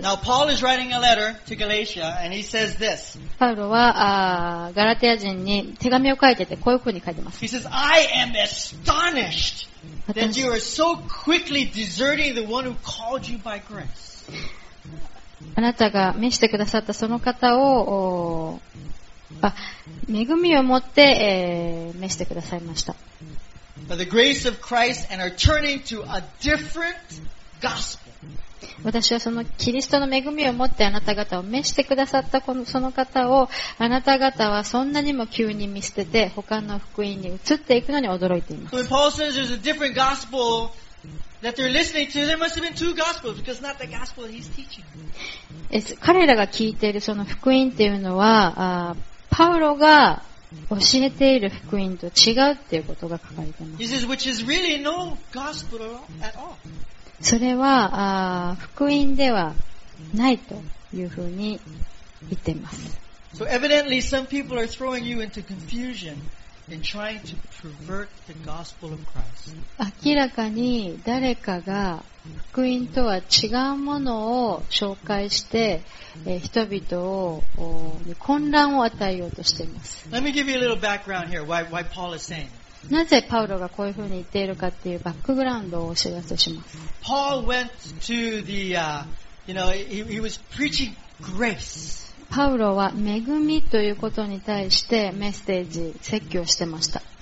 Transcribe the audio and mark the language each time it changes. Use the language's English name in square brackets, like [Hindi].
[English] Now Paul is writing a letter to Galatia and he says this. [Japanese] パウロはガラテヤ人に手紙を書いてて、こういうふうに書いてます。 [English] He says, I am astonished that you are so quickly deserting the one who called you by grace. [Japanese] あなたが召してくださったその方を、恵みを持って、召してくださいました。 [English] By the grace of Christ and are turning to a different gospel. [Japanese] 私はそのキリストの恵みを持ってあなた方を召してくださったこのその方を、あなた方はそんなにも急に見捨てて他の福音に移っていくのに驚いています。 [English] So when Paul says there's a different gospel that they're listening to, there must have been two gospels because not the gospel that he's teaching. [Japanese] 彼らが聞いているその福音っていうのは、パウロが教えている福音と違うということが書かれています。 [English] He says, which is really no gospel at all. [Japanese] それは福音ではないというふうに言っています。 [English] So evidently some people are throwing you into confusion in trying to pervert the gospel of Christ. [Japanese] 明らかに誰かが福音とは違うものを紹介して、人々を混乱を与えようとしています。 [English] Let me give you a little background here, why Paul is saying this. [Japanese] なぜパウロがこういうふうに言っているかっていうバックグラウンドをお知らせします。 [English] Paul went to the, you know, he was preaching grace. [Japanese] パウロは恵みということに対してメッセージ、説教してました。